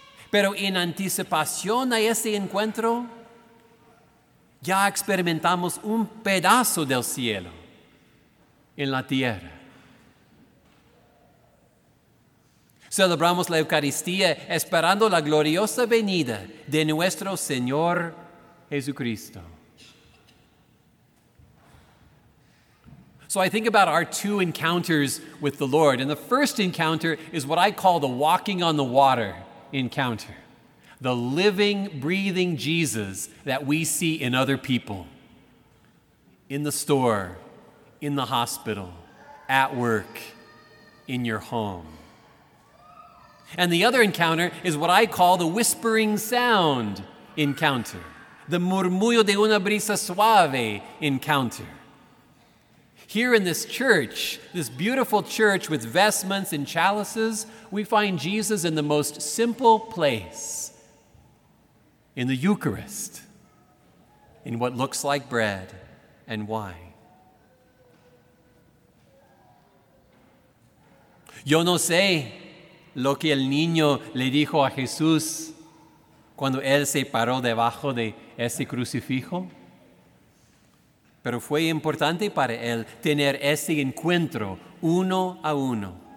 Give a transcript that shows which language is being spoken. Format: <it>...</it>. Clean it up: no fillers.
<es>Pero en anticipación a ese encuentro, ya experimentamos un pedazo del cielo en la tierra. Celebramos la Eucaristía esperando la gloriosa venida de nuestro Señor Jesucristo.</es> <en>So I think about our two encounters with the Lord. And the first encounter is what I call the walking on the water encounter. The living, breathing Jesus that we see in other people. In the store, in the hospital, at work, in your home. And the other encounter is what I call the whispering sound encounter.</en> <es>The murmullo de una brisa suave encounter.</es> <en>Here in this church, this beautiful church with vestments and chalices, we find Jesus in the most simple place, in the Eucharist, in what looks like bread and wine.</en> <es>Yo no sé lo que el niño le dijo a Jesús cuando él se paró debajo de ese crucifijo. Pero fue importante para él tener ese encuentro uno a uno.</es>